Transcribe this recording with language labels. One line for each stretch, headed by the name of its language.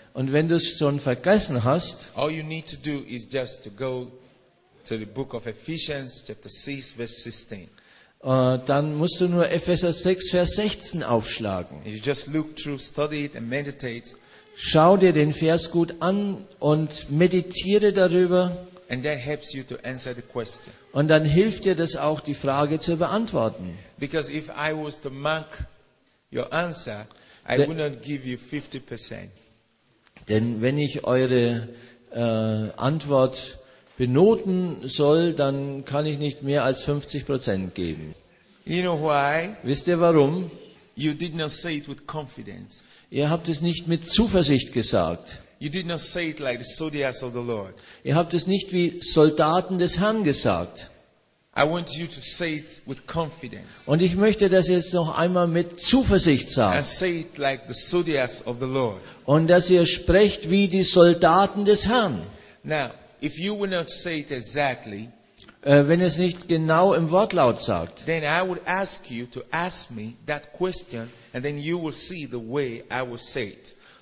German: und wenn du es schon vergessen hast,
English: all you need to do is just to go to the book of Ephesians, chapter 6, verse 16.
German: Dann musst du nur Epheser 6, Vers 16 aufschlagen.
English: You just look through, study it and meditate.
German: Schau dir den Vers gut an und meditiere darüber.
English: And that helps you to answer the question.
German: Und dann hilft dir das auch, die Frage zu beantworten.
English: Because if I was to mark your answer, I would not give you 50%.
German: Denn wenn ich eure Antwort benoten soll, dann kann ich nicht mehr als 50% geben.
English: You know why?
German: Wisst ihr warum?
English: You did not say it with confidence.
German: Ihr habt es nicht mit Zuversicht gesagt.
English: You did not say it like the soldiers of the Lord.
German: Ihr habt es nicht wie Soldaten des Herrn gesagt.
English: I want you to say it with confidence.
German: Und ich möchte, dass ihr es noch einmal mit Zuversicht sagt.
English: And say it like the soldiers of the Lord.
German: Und dass ihr sprecht wie die Soldaten des Herrn.
English: Now, if you will not say it exactly,
German: wenn ihr es nicht genau im Wortlaut sagt,
English: then I would ask you to ask me that question, and then you will see the way I will say it.